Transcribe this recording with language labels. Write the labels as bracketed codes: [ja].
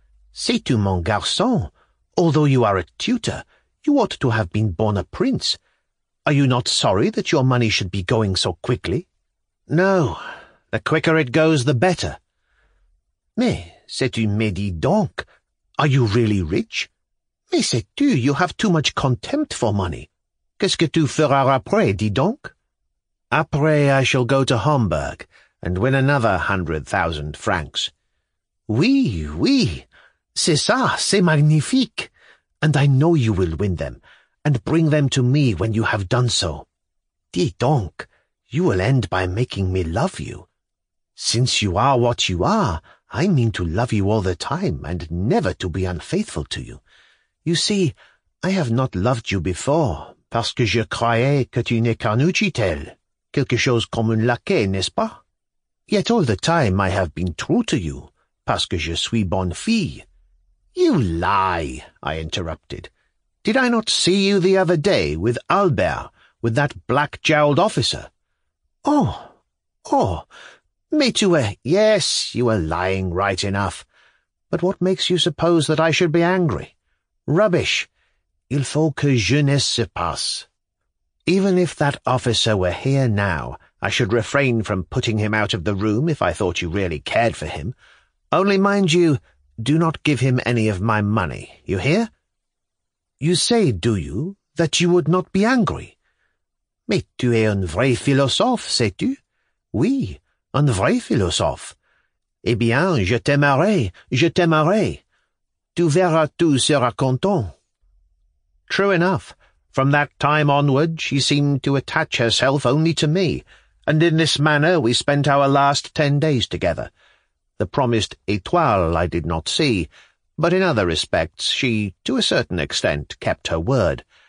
[fr] Sais-tu, mon garçon, [en] although you are a tutor, you ought to have been born a prince. Are you not sorry that your money should be going so quickly?" "No, the quicker it goes, the better." [fr] "Mais, sais-tu, me dis donc, [en] are you really rich? [fr] Mais sais-tu, [en] you have too much contempt for money. [fr] Qu'est-ce que tu feras après, dis donc?" "Après, [en] I shall go to Homburg and win another 100,000 francs. [fr] "Oui, oui, c'est ça, c'est magnifique. [en] And I know you will win them, and bring them to me when you have done so. [fr] Dis donc, [en] you will end by making me love you. Since you are what you are, I mean to love you all the time, and never to be unfaithful to you. You see, I have not loved you before, [fr] parce que je croyais que tu n'es qu'un uchitel, quelque chose comme un laquais, n'est-ce pas? [en] Yet all the time I have been true to you, [fr] parce que je suis bonne fille." [en] "You lie," I interrupted. "Did I not see you the other day with Albert, with that black-jowled officer?" [fr] Oh, mais tu es... [en] "Yes, you are lying right enough. But what makes you suppose that I should be angry?" "Rubbish. [fr] Il faut que je ne se passe. [en] Even if that officer were here now, I should refrain from putting him out of the room if I thought you really cared for him. Only, mind you, do not give him any of my money. You hear?" "You say, do you, that you would not be angry?" [fr] "Mais tu es un vrai philosophe, sais-tu?" "Oui, un vrai philosophe." "Eh bien, je t'aimerai, je t'aimerai. Tu verras, tout sera content." [en] True enough. From that time onward, she seemed to attach herself only to me, and in this manner we spent our last 10 days together. The promised étoile I did not see, but in other respects she, to a certain extent, kept her word.